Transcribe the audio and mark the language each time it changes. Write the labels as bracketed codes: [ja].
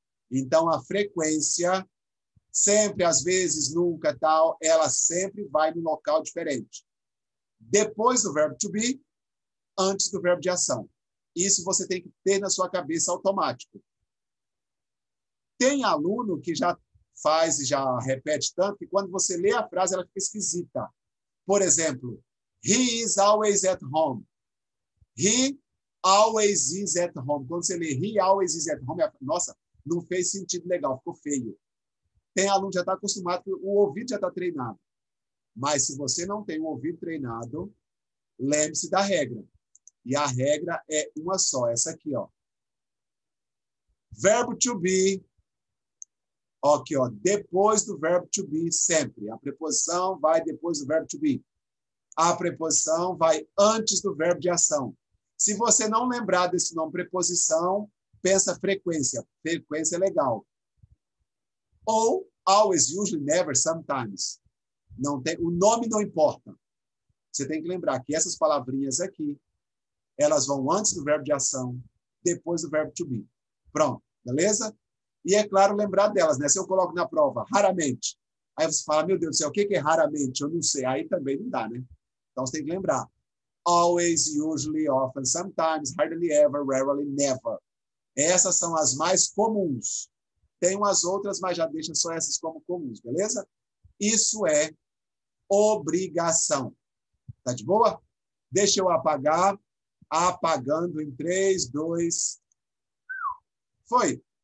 [pt] Então, a frequência, sempre, às vezes, nunca, tal, ela sempre vai no local diferente. Depois do verbo to be, antes do verbo de ação. Isso você tem que ter na sua cabeça automático. Tem aluno que já faz e já repete tanto que quando você lê a frase, ela fica esquisita. Por exemplo, [en] he is always at home. He always is at home. [pt] Quando você lê [en] he always is at home, [pt] nossa, não fez sentido legal, ficou feio. Tem aluno que já está acostumado, o ouvido já está treinado. Mas se você não tem o ouvido treinado, lembre-se da regra. E a regra é uma só, essa aqui, ó. Verbo to be. Aqui, ó. Depois do verbo to be, sempre. A preposição vai depois do verbo to be. A preposição vai antes do verbo de ação. Se você não lembrar desse nome, preposição, pensa frequência. Frequência é legal. [en] Ou always, usually, never, sometimes. [pt] Não tem, o nome não importa. Você tem que lembrar que essas palavrinhas aqui, elas vão antes do verbo de ação, depois do verbo to be. Pronto, beleza? E é claro lembrar delas, né? Se eu coloco na prova, raramente. Aí você fala, meu Deus do céu, o que é raramente? Eu não sei. Aí também não dá, né? Então você tem que lembrar. [en] Always, usually, often, sometimes, hardly ever, rarely, never. [pt] Essas são as mais comuns. Tem umas outras, mas já deixa só essas como comuns, beleza? Isso é obrigação. Tá de boa? Deixa eu apagar. Apagando em 3, 2. Foi.